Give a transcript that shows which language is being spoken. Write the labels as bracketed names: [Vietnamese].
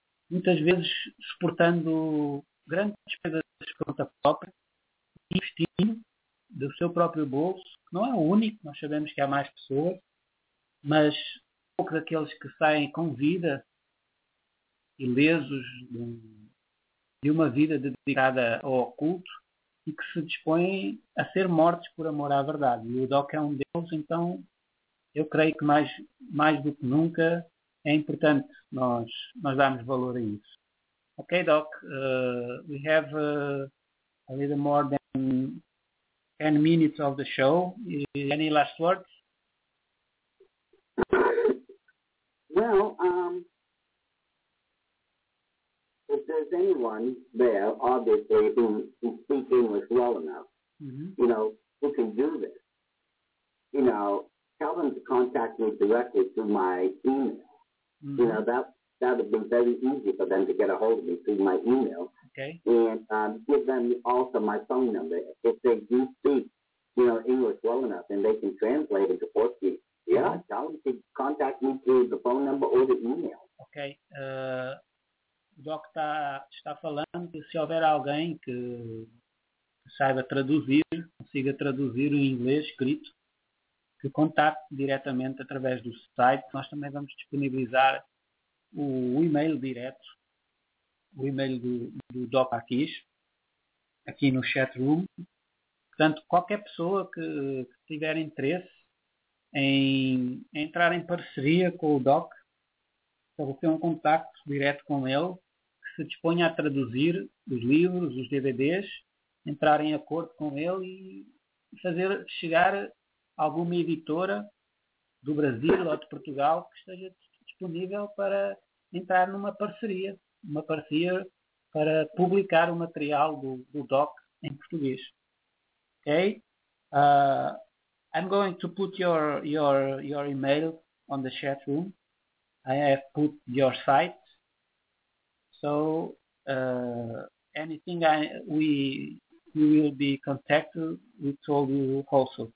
[Portuguese] muitas vezes suportando grandes despesas de conta própria, investindo do seu próprio bolso, que não é o único, nós sabemos que há mais pessoas, mas poucos daqueles que saem com vida, ilesos de uma vida dedicada ao oculto, e que se dispõem a ser mortos por amor à verdade. E o Doc é um deles, então eu creio que mais do que nunca é importante nós darmos valor a isso. [English] Okay, Doc, we have a little more than 10 minutes of the show. Any last words? Well, if there's anyone there, obviously, who speak English well enough, mm-hmm. you know, who can do this, you know, tell them to contact me directly through my email. Mm-hmm. You know, that would be very easy for them to get a hold of me through my email. Okay. And give them also my phone number. If they do speak, you know, English well enough and they can translate into Portuguese, yeah, tell them to contact me through the phone number or the email. Okay. [Portuguese] O Doc está falando que se houver alguém que saiba traduzir, consiga traduzir o inglês escrito, que contacte diretamente através do site. Nós também vamos disponibilizar o e-mail direto, o e-mail do Doc Marquinhos, aqui no chat room. Portanto, qualquer pessoa que tiver interesse em entrar em parceria com o Doc, estabelecer um contacto direto com ele, que se disponha a traduzir os livros, os DVDs, entrar em acordo com ele e fazer chegar alguma editora do Brasil ou de Portugal que esteja disponível para entrar numa parceria, para publicar o material do Doc em português. [English] Okay? I'm going to put your email on the chat room. I have put your site. So anything we will be contacted, we told you also.